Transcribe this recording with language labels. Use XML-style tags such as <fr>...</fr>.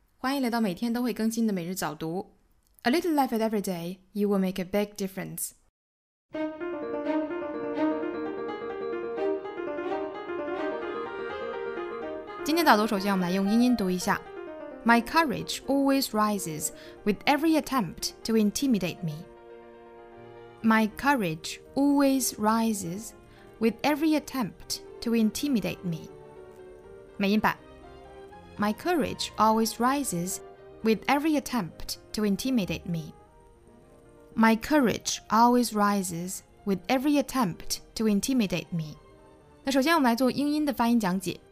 <zh>欢迎来到每天都会更新的每日早读。</zh> <en>A little life at every day, you will make a big difference. My courage always rises with every attempt to intimidate me. My courage always rises with every attempt to intimidate me.</en> <zh>美音版。</zh> <en>My courage always rises with every attempt to intimidate me. My courage always rises with every attempt to intimidate me.</en> <zh>那首先我们来做英音的发音讲解。</zh>